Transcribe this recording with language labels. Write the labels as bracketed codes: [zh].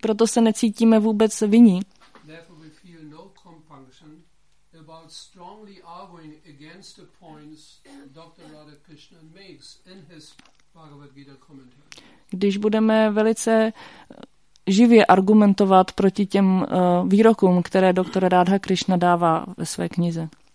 [cs] Proto se necítíme vůbec viní. [en] Therefore we feel no compunction about strongly arguing against the points Dr. Radha Krishna makes in his Bhagavad Gita commentary. [cs] Když budeme velice živě argumentovat proti těm výrokům, které doktor Radha Krishna dává ve své knize.